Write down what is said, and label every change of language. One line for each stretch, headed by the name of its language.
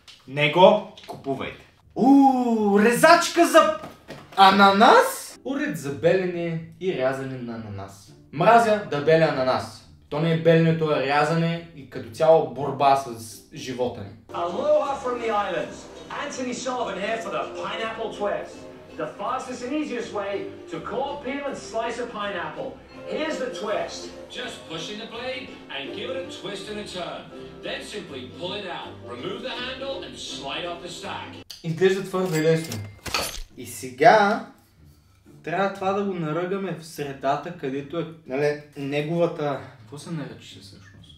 Bulgarian: Не го купувайте. Ууу, резачка за ананас? Уред за белене и рязане на ананас. Мразя да беля ананас. То не е белене, то е рязане и като цяло борба с живота ни.
English: Aloha from the islands. Anthony Sullivan here for the Pineapple Twist. The fastest and easiest way to core, peel and slice a pineapple. Here's the twist. Just push in the blade and give it a twist and a turn. Then simply pull it out, remove the handle and slide off the stack.
Bulgarian: Изглежда твърде лесно. И сега трябва това да го наръгаме в средата, където е, нали, неговата... Какво се наръча всъщност?